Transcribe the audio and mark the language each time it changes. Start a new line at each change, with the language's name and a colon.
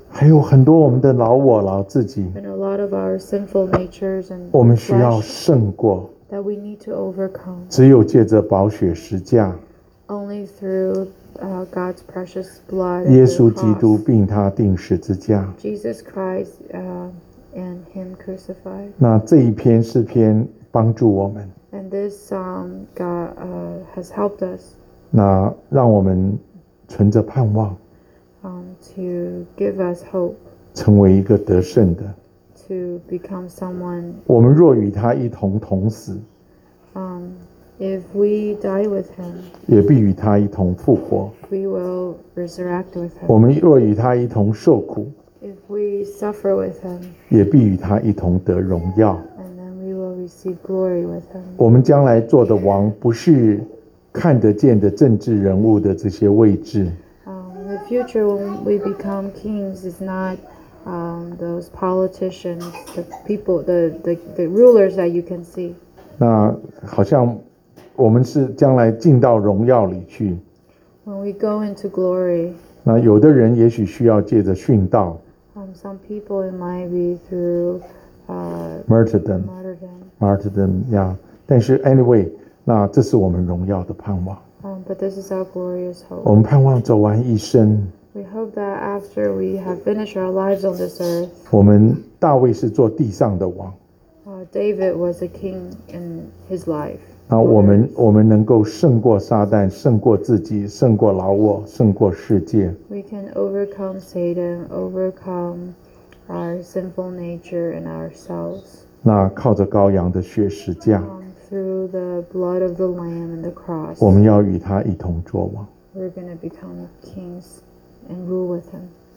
Chinese: 还有很多我们的老我老自己。
English: And a lot of our sinful natures and flesh.
Chinese: 我们需要胜过。
English: That we need to overcome.
Chinese: 只有借着宝血十架。
English: Only through God's precious blood.
Chinese: 耶稣基督并他钉十字架。
English: Jesus Christ and Him crucified.
Chinese: 那这一篇诗篇帮助我们。
English: And this song God has helped us.
Chinese: 那让我们。存着盼望
English: to give us hope,
Chinese: 成为一个得胜的
English: to become someone,
Chinese: 我们若与他一同同死
English: if we die with him,
Chinese: 也必与他一同复活
English: we will resurrect with him,
Chinese: 我们若与他一同受苦
English: if we suffer with him,
Chinese: 也必与他一同得荣耀
English: and then we will receive glory with him.
Chinese: 我们将来做的王不是看得见的政治人物的这些位置。
English: The future when we become kings is not those politicians, the people, the rulers that you can see.
Chinese: 那好像我们是将来进到荣耀里去。
English: When we go into glory.
Chinese: 那有的人也许需要借着殉道。
English: Some people it might be through martyrdom. Yeah.
Chinese: 但是
English: anyway.
Chinese: 那这是我们荣耀的盼望。
English: But this is our glorious hope.
Chinese: 我们盼望走完一生。
English: We hope that after we have finished our lives on this earth.
Chinese: 我们大卫是做地上的王。
English: David was a king in his life.
Chinese: 那我们能够胜过撒旦，胜过自己，胜过老我，胜过世界。
English: We can overcome Satan, overcome our sinful nature and ourselves.
Chinese: 那靠着羔羊的血十架。
English: Through the blood of the Lamb and the cross,
Chinese: 我们要与他一同作王。
English: We're going to become kings and rule with him.